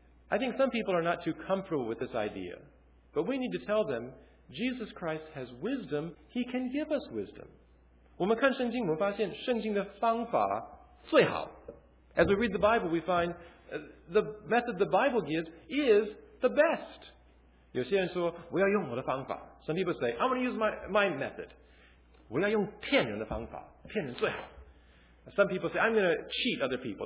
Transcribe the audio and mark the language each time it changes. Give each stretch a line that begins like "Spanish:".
English: I think some people are not too comfortable with this idea, but we need to tell them,Jesus Christ has wisdom. He can give us wisdom.
Chinese: 我们看圣经，我们发现圣经的方法最好。
English: As we read the Bible, we find the method the Bible gives is the best.
Chinese: 有些人说，我要用我的方法。
English: Some people say, I want to use my method.
Chinese: 我要用骗人的方法，骗人最好。
English: Some people say, I'm going to cheat other people.